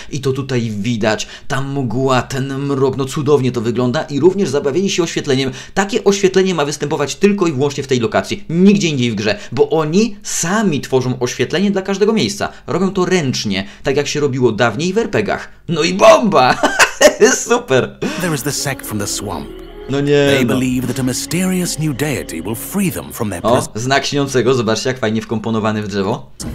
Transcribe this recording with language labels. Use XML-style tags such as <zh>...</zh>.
<pl>I to tutaj widać. Ta mgła, ten mrok, no cudownie to wygląda. I również zabawienie się oświetleniem. Takie oświetlenie ma występować tylko i wyłącznie w tej lokacji, nigdzie indziej w grze, bo oni sami tworzą oświetlenie dla każdego miejsca. Robią to ręcznie, tak jak się robiło dawniej w RPGach. No i bomba! Super!</pl> <en>There is the sect from the swamp.</en> <pl>No nie,</pl> <en>they believe that a mysterious new deity will free them from their...</en> <pl>O, znak śniącego, zobaczcie, jak fajnie wkomponowany w drzewo.</pl>